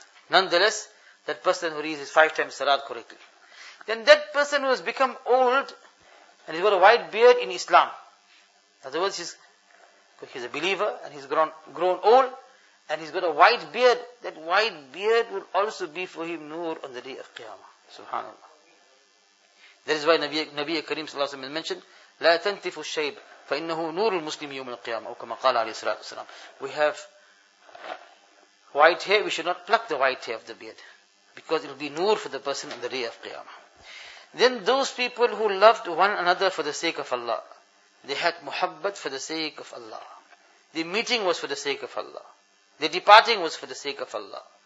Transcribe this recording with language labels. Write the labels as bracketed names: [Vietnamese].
[English] Nonetheless, that person who reads his five times salat correctly. Then that person who has become old and he's got a white beard in Islam. In other words, he's a believer and he's grown old and he's got a white beard. That white beard will also be for him nur on the day of Qiyamah. Subhanallah. That is why Nabi Kareem Sallallahu Alaihi Wasallam mentioned, [Arabic] لَا تَنْتِفُ الشَّيْبِ فَإِنَّهُ نُورُ الْمُسْلِمِ يَوْمَ الْقِيَامَةِ وَكَمَا قَالَ عَلَيْهِ الصَّلَاةُ وَالسَّلَامُ. [English] We have white hair, we should not pluck the white hair of the beard. Because it will be nur for the person on the day of Qiyamah. Then those people who loved one another for the sake of Allah, they had muhabbat for the sake of Allah. The meeting was for the sake of Allah. The departing was for the sake of Allah.